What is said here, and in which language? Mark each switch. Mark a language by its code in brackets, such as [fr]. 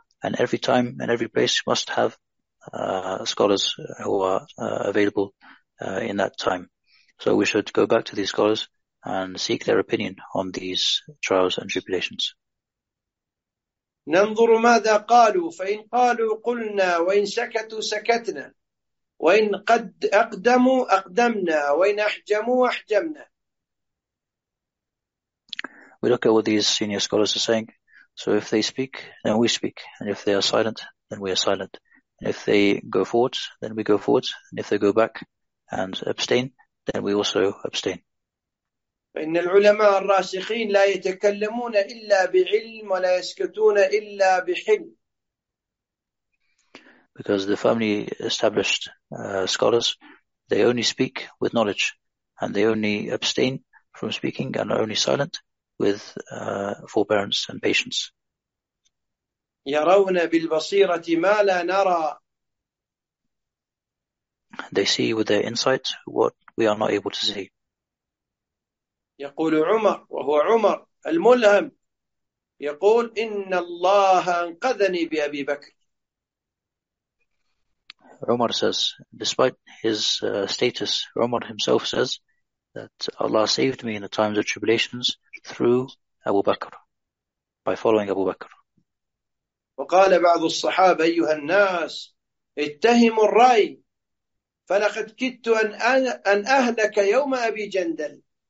[en] And every time and every place must have scholars who are available in that time. So we should go back to these scholars and seek their opinion on these trials and tribulations. [ar] ننظر ماذا قالوا فإن قالوا قلنا وإن سكتوا سكتنا وإن قد أقدموا أقدمنا وإن أحجموا أحجمنا. [en] We look at what these senior scholars are saying. So if they speak, then we speak. And if they are silent, then we are silent. And if they go forward, then we go forward. And if they go back and abstain, then we also abstain. [ar] فإن العلماء الراسخين لا يتكلمون إلا بعلم ولا يسكتون إلا بحلم. [en] Because the firmly established scholars, they only speak with knowledge, and they only abstain from speaking and are only silent with forbearance and patience. [ar] يرون بالبصيرة ما لا نرى. [en] They see with their insight what we are not able to see. [ar] يقول عمر وهو عمر الملهم يقول إن الله أنقذني بأبي بكر. [en] Umar says, despite his status, Umar himself says that Allah saved me in the times of tribulations through Abu Bakr, by following Abu Bakr. [ar] وقال بعض الصحابة أيها الناس اتهموا الرأي فلقد كدت أن أهلك يوم أبي جندل.